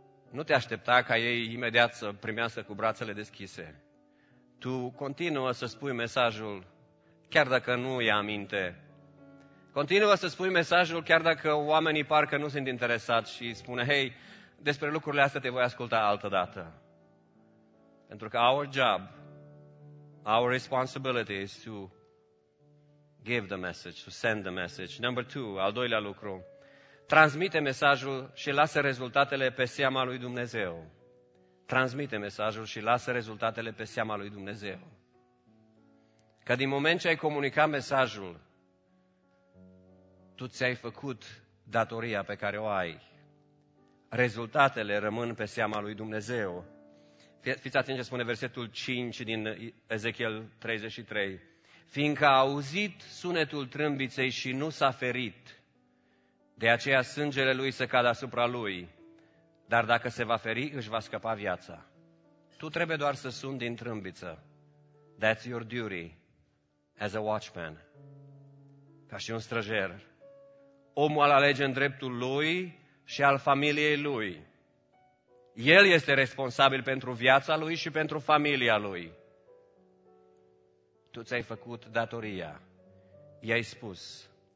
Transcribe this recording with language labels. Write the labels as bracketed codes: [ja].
[ro] Nu te aștepta ca ei imediat să primească cu brațele deschise. Tu continuă să spui mesajul, chiar dacă nu ia aminte. Continuă să spui mesajul, chiar dacă oamenii parcă nu sunt interesați și spune, hei, despre lucrurile astea te voi asculta altă dată. Pentru că [en] our job, our responsibility is to give the message, to send the message. Number two, [ro] al doilea lucru, transmite mesajul și lasă rezultatele pe seama lui Dumnezeu. Transmite mesajul și lasă rezultatele pe seama lui Dumnezeu. Că din moment ce ai comunicat mesajul, tu ți-ai făcut datoria pe care o ai. Rezultatele rămân pe seama lui Dumnezeu. Fiți atenți ce spune versetul 5 din Ezechiel 33. Fiindcă a auzit sunetul trâmbiței și nu s-a ferit, de aceea sângele lui să cadă asupra lui, dar dacă se va feri, își va scăpa viața. Tu trebuie doar să suni din trâmbiță. [en] That's your duty as a watchman. [ro] Ca și un străjer. Omul al alege în dreptul lui și al familiei lui. El este responsabil pentru viața lui și pentru familia lui. Tu ți-ai făcut datoria. I-ai spus.